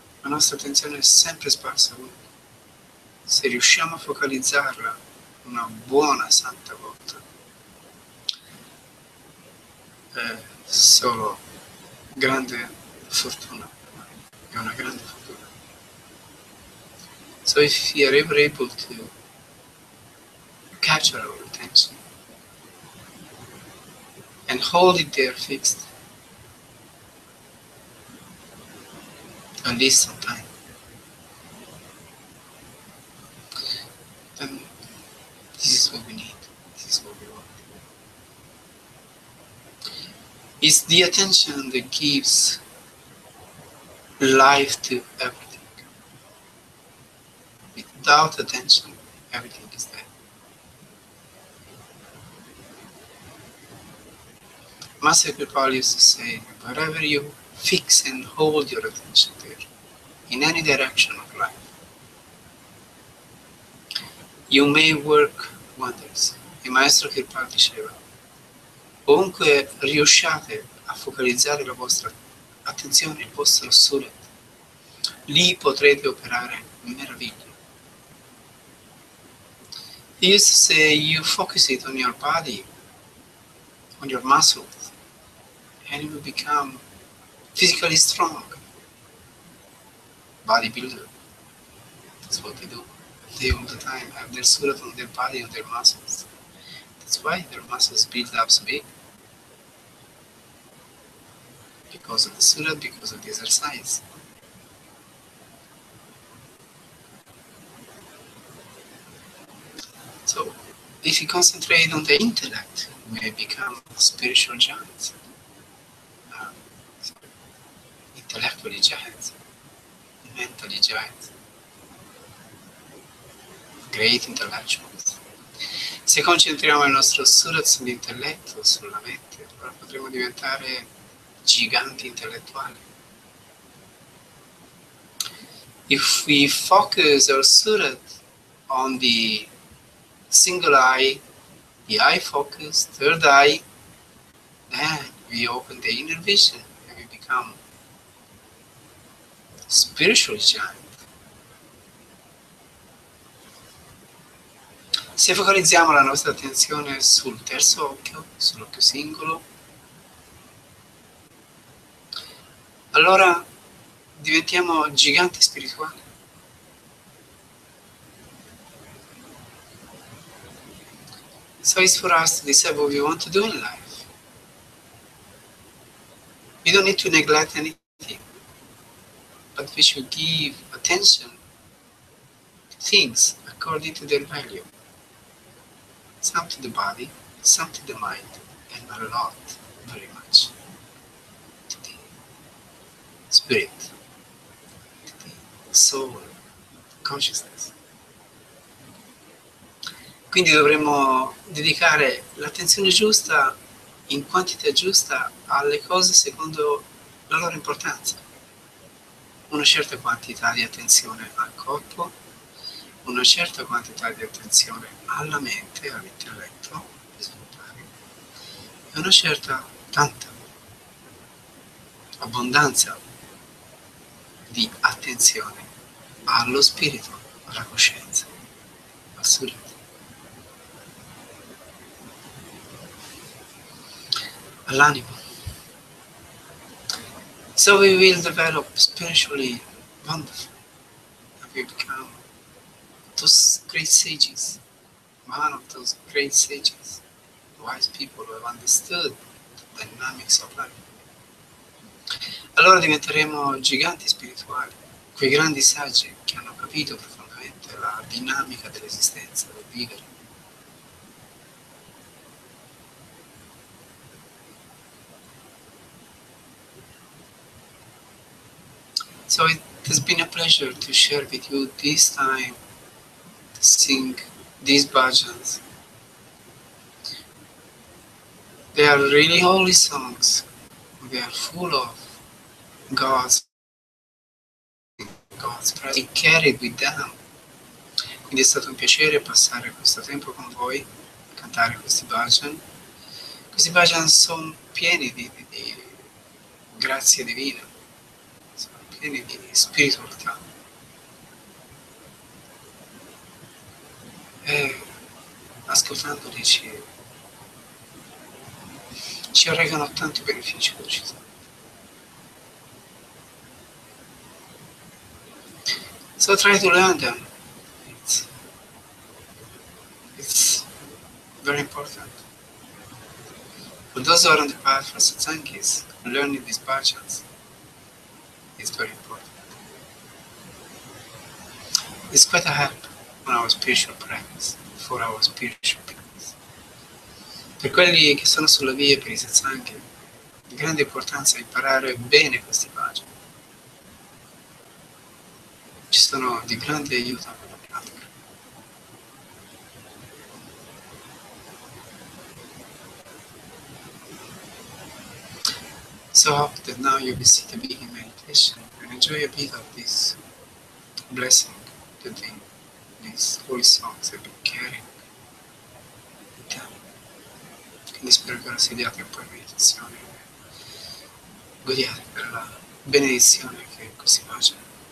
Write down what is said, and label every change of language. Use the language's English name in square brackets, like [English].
[Italian] La nostra attenzione è sempre sparsa. Se riusciamo a focalizzarla una buona santa volta, è solo grande fortuna. È una grande fortuna. [English] So if you are ever able to catch our attention and hold it there fixed, at least some time, then this is what we need, this is what we want. It's the attention that gives life to everything. Without attention, everything is dead. Master Kripal used to say, wherever you fix and hold your attention there, in any direction of life, you may work wonders. [Italian] E Maestro Kirpal diceva, ovunque riusciate a focalizzare la vostra attenzione, il vostro surat, lì potrete operare meraviglie. [English] He used to say, you focus it on your body, on your muscles, and you become physically strong. Bodybuilder. That's what they do. They all the time have their surat on their body, on their muscles. That's why their muscles build up so big. Because of the surat, because of the exercise. So, if you concentrate on the intellect, you may become a spiritual giant. Intellectually giants, mentally giants, great intellectuals. [Italian] Se concentriamo il nostro surat sull'intelletto, sulla mente, allora potremo diventare giganti intellettuali. [English] If we focus our surat on the single eye, the eye focus, third eye, then we open the inner vision and we become spiritual giant. [Italian] Se focalizziamo la nostra attenzione sul terzo occhio, sull'occhio singolo, allora diventiamo giganti spirituali. [English] So it's for us to decide what we want to do in life. We don't need to neglect anything. But we should give attention to things according to their value. Some to the body, some to the mind, and a lot, very much, to the spirit, to the soul, consciousness. [Italian] Quindi dovremmo dedicare l'attenzione giusta, in quantità giusta, alle cose secondo la loro importanza. Una certa quantità di attenzione al corpo, una certa quantità di attenzione alla mente, all'intelletto, per sviluppare, e una certa, tanta, abbondanza di attenzione allo spirito, alla coscienza, al surat. All'animo. [English] So we will develop spiritually wonderful, and we become those great sages, one of those great sages, wise people who have understood the dynamics of life. A [Italian] allora diventeremo giganti spirituali, quei grandi saggi che hanno capito profondamente la dinamica dell'esistenza, del vivere. [English] So it has been a pleasure to share with you this time to sing these bhajans. They are really holy songs. They are full of God's presence carried with them. [Italian] Quindi è stato un piacere passare questo tempo con voi, cantare questi bhajan. Questi bhajan sono pieni di grazia divina, sono pieni di spiritualità. E ascoltandoli ci regalano tanti benefici che ci sono. [English] So try to learn them. It's very important. For those who are on the path for satsangis, learning these bhajans is very important. It's quite a help on our spiritual practice, for our spiritual beings. [Italian] Per quelli che sono sulla via per i satsanghi, di grande importanza è imparare bene questi bhajans. Ci sono di grande aiuto per la pratica. [English] So I hope that now you will sit a bit in meditation and enjoy a bit of this blessing that these holy songs have been carrying with them. [Italian] Quindi spero che ora sediate un po' in meditazione e godiate per la benedizione che così faccio.